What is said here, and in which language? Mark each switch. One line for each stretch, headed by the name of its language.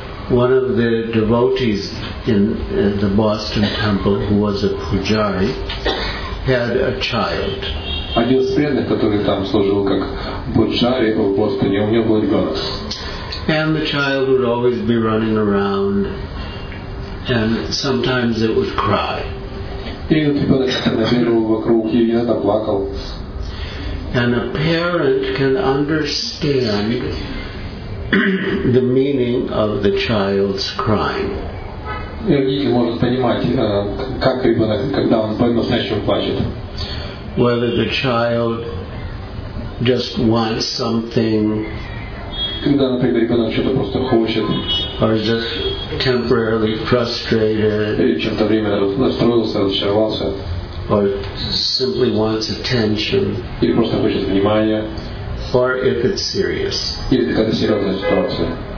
English: One of the devotees in the Boston Temple, who was a pujari, had a child.
Russian: Один из преданных, который там служил как пуджари в Бостоне, у него был ребенок.
English: And the child would always be running around, and sometimes it would cry.
Russian: И вот ребенок бегал вокруг и иногда плакал.
English: And a parent can understand the meaning of the child's crying.
Russian: И родители могут понимать, как ребенок, когда он по-настоящему плачет.
English: Whether the child just wants something,
Russian: когда, например, ребенок что-то просто хочет,
English: or just temporarily frustrated,
Russian: или чем-то временно расстроился, разочаровался,
English: or simply wants attention,
Russian: или просто хочет внимания,
English: or if it's serious,
Russian: или какая-то серьезная ситуация.